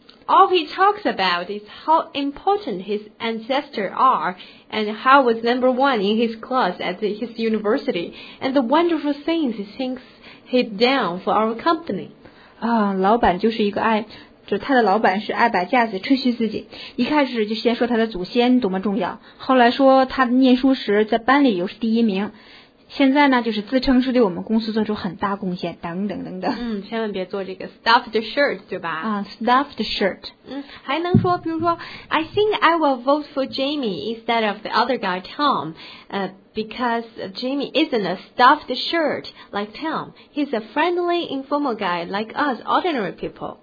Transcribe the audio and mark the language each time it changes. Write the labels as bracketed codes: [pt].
[en] All he talks about is how important his ancestors are and how was number one in his class at his university and the wonderful things he thinks he'd done for our company. [zh] 啊，老板就是一个爱，就他的老板是爱摆架子吹嘘自己，一开始就先说他的祖先多么重要，后来说他念书时在班里又是第一名，现在呢就是自称是对我们公司做出很大贡献等等等等。嗯，千万别做这个 stuffed shirt 对吧。啊， stuffed shirt。嗯，还能说比如说 [en] I think I will vote for Jamie instead of the other guy Tom because Jamie isn't a stuffed shirt like Tom. He's a friendly informal guy like us ordinary people.